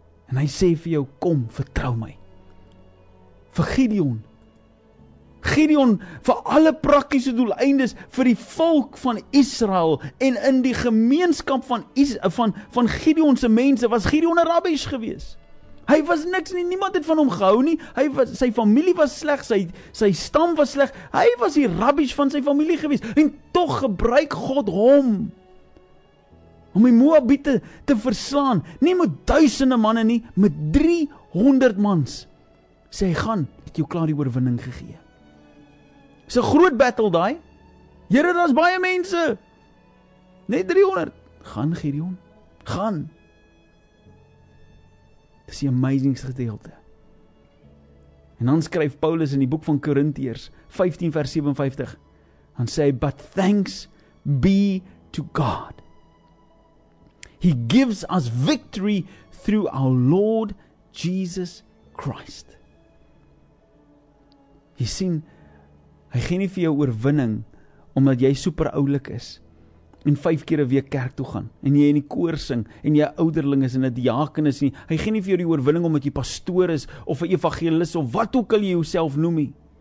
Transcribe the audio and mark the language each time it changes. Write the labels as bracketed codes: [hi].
[af] En hy sê vir jou, kom, vertrou my. Vir Gideon. Gideon, vir alle praktiese doeleindes, vir die volk van Israel en in die gemeenskap van Gideon se mense, was Gideon 'n rabbies gewees. Hy was niks nie, niemand het van hom gehou nie. Sy familie was sleg, sy stam was sleg. Hy was die rabbies van sy familie gewees. En tog gebruik God hom om die Moabiete te verslaan. Nie met duisende manne nie, met 300 mans. Sê hy gaan, het jou klaar die oorwinning gegee. Dis 'n groot battle daai. Here, daar's baie mense. Net 300. Gaan Gideon, gaan. Dis die amazing gedeelte. En dan skryf Paulus in die boek van Korintiërs 15 vers 57. Dan sê hy, [en] but thanks be to God. He gives us victory through our Lord Jesus Christ. [af] Jy sien, hy gee nie vir jou oorwinning omdat jy super oulik is en 5 keer 'n week kerk toe gaan en jy in die koor sing en jy ouderling is en 'n diaken is nie. Hy gee nie vir jou die oorwinning omdat jy pastoor is of 'n evangelis of wat ook al jy jouself noem nie.